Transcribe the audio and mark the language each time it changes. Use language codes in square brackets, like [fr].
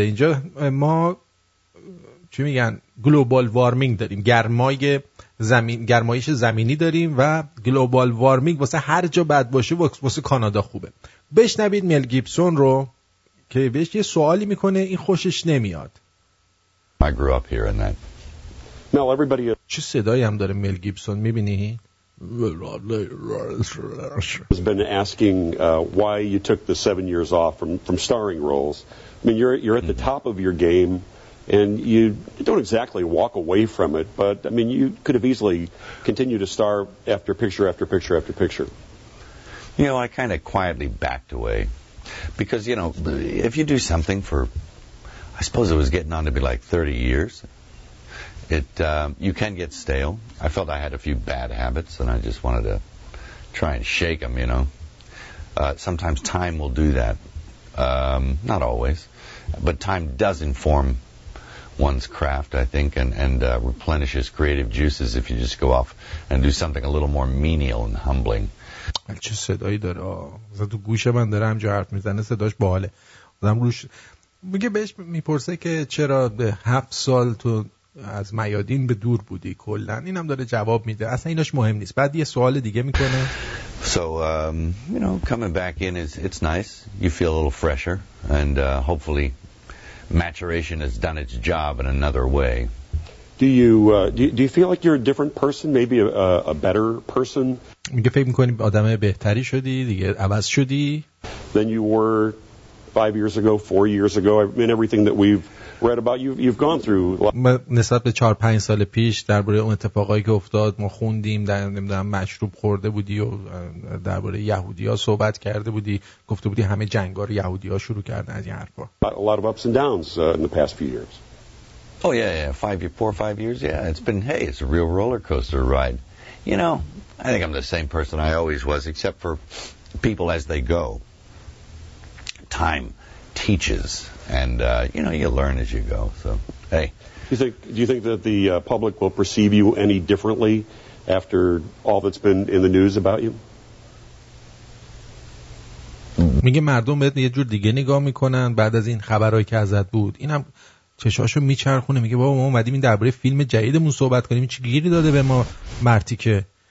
[fa] اینجا ما چی میگن؟ گلوبال وارمینگ داریم، گرمای زمین، گرمایش زمینی داریم و گلوبال وارمینگ واسه هر جا بد باشه واسه کانادا خوبه. بشنوید میل گیبسون رو که بهش یه سوالی میکنه این خوشش نمیاد. [en] I grew up here in that. Mel, everybody. [fa] چه صدایی هم داره میل گیبسون، میبینی؟ [en] Has been asking why you took the 7 years off from starring roles. I mean, you're at the top of your game, and you don't exactly walk away from it. But I mean, you could have easily continued to star after picture after picture after picture. You know, I kind of quietly backed away because you know, if you do something for, I suppose it was getting on to be like 30 years. You can get stale. I felt I had a few bad habits and I just wanted to try and shake them, you know. Sometimes time will do that. Not always. But time does inform one's craft, I think, and replenishes creative juices if you just go off and do something a little more menial and humbling. [fa] چه صدایی داره؟ مثلا تو گوش من داره همجا حرف میزنه، صداش باحاله. آدم روش میگه، بهش میپرسه که چرا به 7 سال تو از میادین به دور بودی کلا، اینم داره جواب میده. اصلا ایناش مهم نیست. بعد یه سوال دیگه میکنه. [en] So you know, coming back in is it's nice. You feel a little fresher and hopefully maturation has done its job in another way. Do you feel like you're a different person, maybe a better person? [fa] میگه فکر میکنی آدم بهتری شدی، دیگه عوض شدی؟ [en] Then you were 5 years ago, 4 years ago, I mean everything that we've read about you, you've gone through. [fa] نسبت به 4-5 سال پیش درباره اون اتفاقایی که افتاد ما خوندیم، در نمیدونم مشروب خورده بودی و درباره یهودی‌ها صحبت کرده بودی، گفته بودی همه جنگا رو یهودی‌ها شروع کردن از این حرفا. [en] A lot of ups and downs in the past few years. Oh yeah, yeah. 5 years, yeah. It's been, hey, it's a real roller coaster ride. You know, I think I'm the same person I always was, except for people as they go. Time teaches, and you know, you learn as you go. So, hey, do you think that the public will perceive you any differently after all that's been in the news about you? [fa] میگه مردم بهت یه جور دیگه نگاه میکنن بعد از این خبرایی که ازت بود. اینم چشاشو میچرخونه، میگه بابا ما اومدیم این درباره فیلم جدیدمون صحبت کنیم، چی گیری داده به ما مرتی که